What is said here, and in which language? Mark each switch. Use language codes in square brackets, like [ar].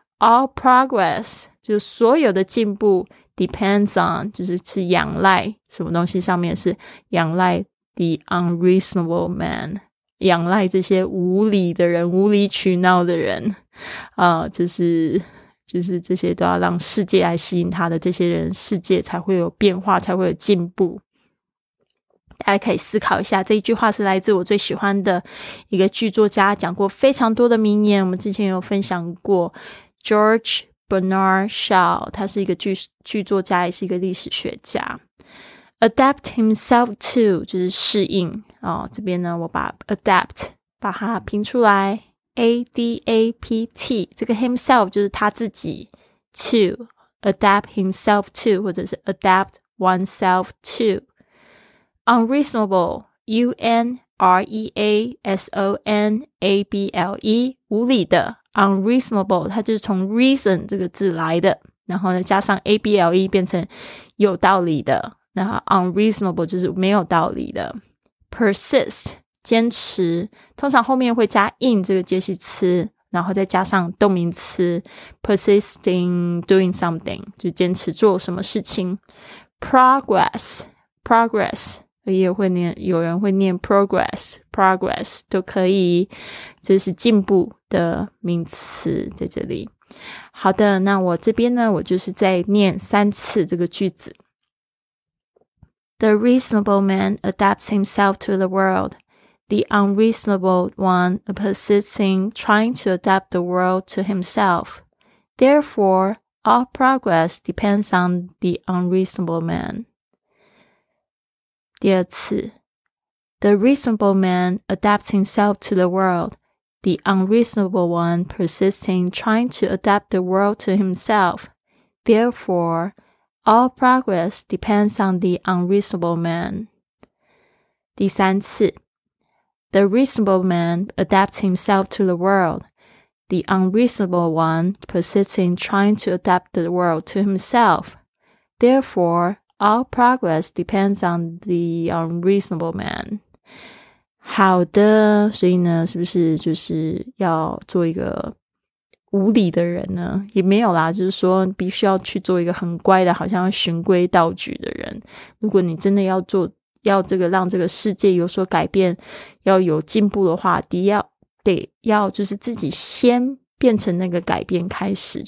[en] All progress [zh] 就是所有的进步 [en] depends on [zh] 就是是仰赖什么东西上面，是仰赖 [en] the unreasonable man， [zh] 仰赖这些无理的人，无理取闹的人就是这些都要让世界来吸引他的这些人，世界才会有变化，才会有进步。大家可以思考一下，这一句话是来自我最喜欢的一个剧作家讲过非常多的名言，我们之前有分享过 George Bernard Shaw， 他是一个 剧作家，也是一个历史学家。 [en] Adapt himself to [zh] 就是适应这边呢我把 adapt 把它拼出来， A-D-A-P-T， 这个 himself 就是他自己， [en] to adapt himself to [zh] 或者是 [en] adapt oneself to。 [zh] Unreasonable， U-N-R-E-A-S-O-N-A-B-L-E， 无理的 unreasonable， 它就是从 reason 这个字来的，然后呢加上 A-B-L-E 变成有道理的，然后 unreasonable 就是没有道理的。 Persist 坚持，通常后面会加 in 这个介系词，然后再加上动名词 [en] persisting doing something， [zh] 就坚持做什么事情。 progress 也会念，有人会念 progress 都可以，这是进步的名词在这里。好的，那我这边呢我就是再念三次这个句子。 [en] The reasonable man adapts himself to the world. the unreasonable one persists in trying to adapt the world to himself. Therefore, all progress depends on the unreasonable man. [zh] 第二次 [en] The reasonable man adapts himself to the world. The unreasonable one persists in trying to adapt the world to himself. Therefore, all progress depends on the unreasonable man. [zh] 第三次 [en] The reasonable man adapts himself to the world. The unreasonable one persists in trying to adapt the world to himself. Therefore, all progress depends on the unreasonable man. [zh] 好的，所以呢，是不是就是要做一个无理的人呢？也没有啦，就是说必须要去做一个很乖的，好像要循规蹈矩的人。如果你真的要做，要这个让这个世界有所改变，要有进步的话，得要就是自己先变成那个改变开始。